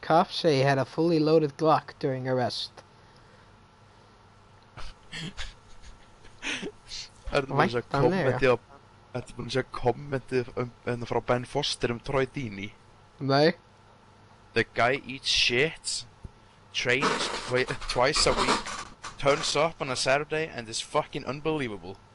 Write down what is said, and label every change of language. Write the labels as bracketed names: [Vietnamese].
[English] Cops say he had a fully loaded Glock during arrest. [Icelandic] Ertu búin að segja kommenti á... Ertu búin að segja kommenti frá Ben Foster Troy Deeney? Nei. [English] The guy eats shit, trains twice a week, turns up on a Saturday and is fucking unbelievable.